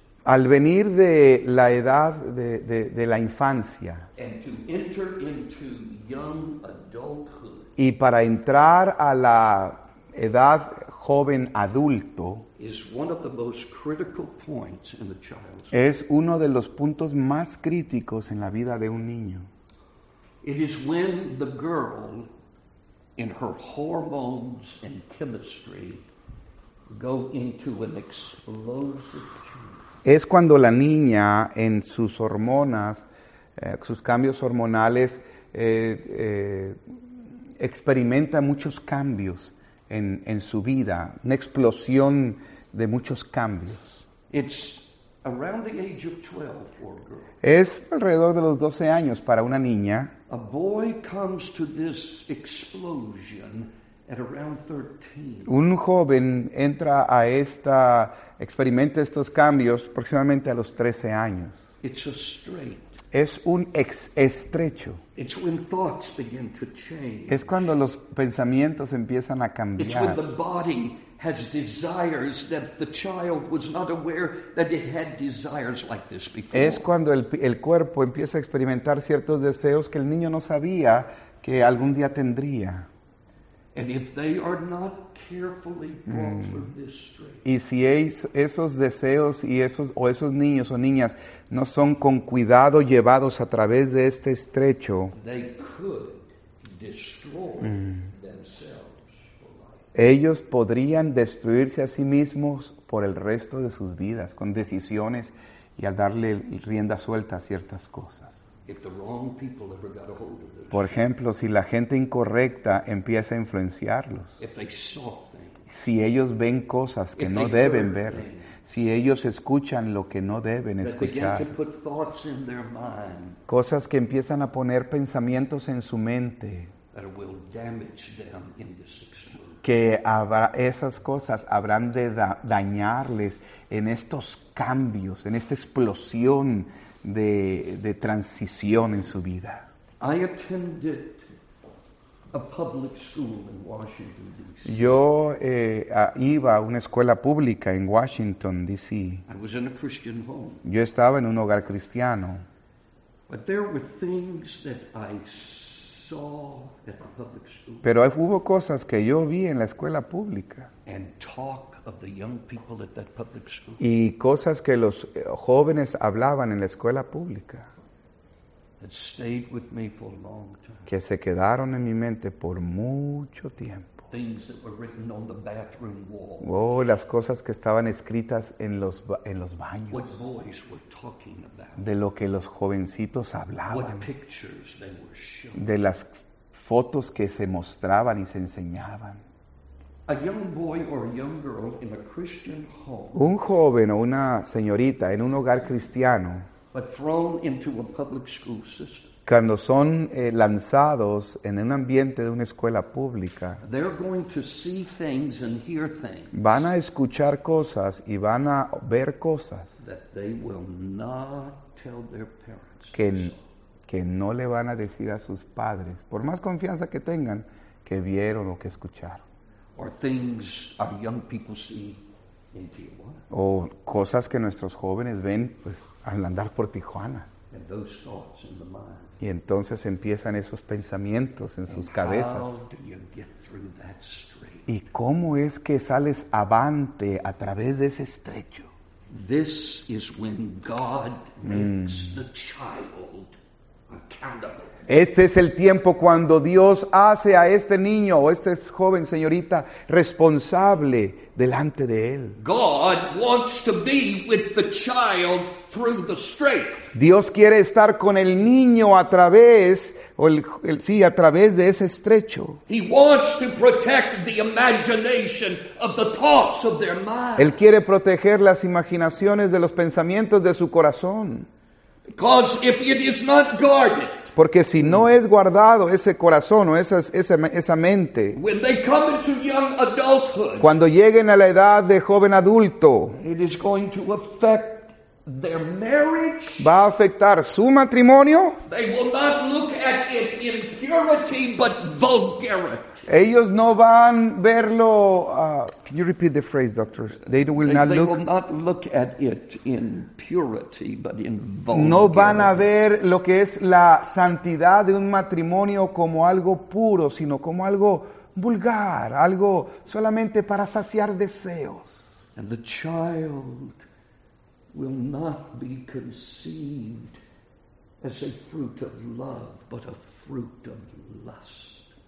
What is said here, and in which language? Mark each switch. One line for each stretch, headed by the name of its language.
Spanish: al venir de la edad de la infancia
English: and to enter into young adulthood,
Spanish: y para entrar a la edad joven adulto
English: is one of the most critical points in the child's life.
Spanish: Es uno de los puntos más críticos en la vida de un niño.
English: It is when the girl, in her hormones and chemistry, go into an explosive change.
Spanish: Es cuando la niña, en sus hormonas, sus cambios hormonales, experimenta muchos cambios en su vida, una explosión de muchos cambios.
English: It's around the age of 12 for a girl.
Spanish: Es alrededor de los 12 años para una niña.
English: A boy comes to this explosion at around 13.
Spanish: Un joven entra a esta, experimenta estos cambios aproximadamente a los 13 años.
English: It's a straight.
Spanish: Es un estrecho.
English: It's when thoughts begin to change.
Spanish: Es cuando los pensamientos empiezan a cambiar.
English: It's when the body has desires that the child was not aware that it had desires like this before.
Spanish: Es cuando el cuerpo empieza a experimentar ciertos deseos que el niño no sabía que algún día tendría.
English: And if they are not carefully brought from this straight,
Spanish: y si esos deseos y esos, o esos niños o niñas no son con cuidado llevados a través de este estrecho,
English: they could destroy themselves for life.
Spanish: Ellos podrían destruirse a sí mismos por el resto de sus vidas con decisiones y al darle rienda suelta a ciertas cosas.
English: If the wrong people ever got a hold of them.
Spanish: Por ejemplo, si la gente incorrecta empieza a influenciarlos.
English: If they saw things.
Spanish: Si ellos ven cosas que
English: if
Spanish: no deben ver. Si ellos escuchan lo que no deben escuchar.
English: They begin to put thoughts in their mind.
Spanish: Cosas que empiezan a poner pensamientos en su mente.
English: That will damage them in this explosion.
Spanish: Que esas cosas habrán de dañarles en estos cambios, en esta explosión de transición en su vida.
English: I attended a public school in Washington, D.C.
Spanish: Yo iba a una escuela pública en Washington, D.C.
English: I was in a Christian home.
Spanish: Yo estaba en un hogar cristiano.
English: But there were things that I saw at the public school.
Spanish: Pero hubo cosas que yo vi en la escuela pública.
English: And talk of the young people at that public school.
Spanish: Y cosas que los jóvenes hablaban en la escuela pública.
English: That stayed with me for a long time.
Spanish: Que se quedaron en mi mente por mucho tiempo.
English: Things that were written on the bathroom wall.
Spanish: Oh, las cosas que estaban escritas en los baños.
English: What boys were talking about.
Spanish: De lo que los jovencitos hablaban.
English: What pictures they were showing.
Spanish: De las fotos que se mostraban y se enseñaban.
English: A young boy or a young girl in a Christian home.
Spanish: Un joven o una señorita en un hogar cristiano.
English: But thrown into a public school system.
Spanish: Cuando son lanzados en un ambiente de una escuela pública.
English: They're going to see things and hear things.
Spanish: Van a escuchar cosas y van a ver cosas.
English: That they will not tell their parents.
Spanish: Que no le van a decir a sus padres, por más confianza que tengan, que vieron o que escucharon.
English: Or things our young people see in Tijuana.
Spanish: O cosas que nuestros jóvenes ven pues al andar por Tijuana.
English: And those thoughts in the mind.
Spanish: Y entonces empiezan esos pensamientos en
English: and
Spanish: sus cabezas.
English: How do you get through that strait?
Spanish: ¿Y cómo es que sales avante a través de ese estrecho?
English: This is when God makes the child accountable.
Spanish: Este es el tiempo cuando Dios hace a este niño o este joven señorita responsable delante de él.
English: God wants to be with the child through the strait.
Spanish: Dios quiere estar con el niño a través o a través de ese estrecho.
English: He wants to protect the imagination of the thoughts of their mind.
Spanish: Él quiere proteger las imaginaciones de los pensamientos de su corazón.
English: Because if it is not guarded,
Spanish: porque si no es guardado ese corazón o esa mente,
English: when they come into young adulthood,
Spanish: cuando lleguen a la edad de joven adulto,
English: it is going to affect their marriage.
Spanish: Va a afectar su matrimonio.
English: They will not look at it in purity, but vulgarity.
Spanish: Ellos no van verlo.
English: Can you repeat the phrase, doctors? They will not look at it in purity, but in vulgarity.
Spanish: No van a ver lo que es la santidad de un matrimonio como algo puro, sino como algo vulgar, algo solamente para saciar deseos.
English: And the child will not be conceived as a fruit of love, but a fruit of lust.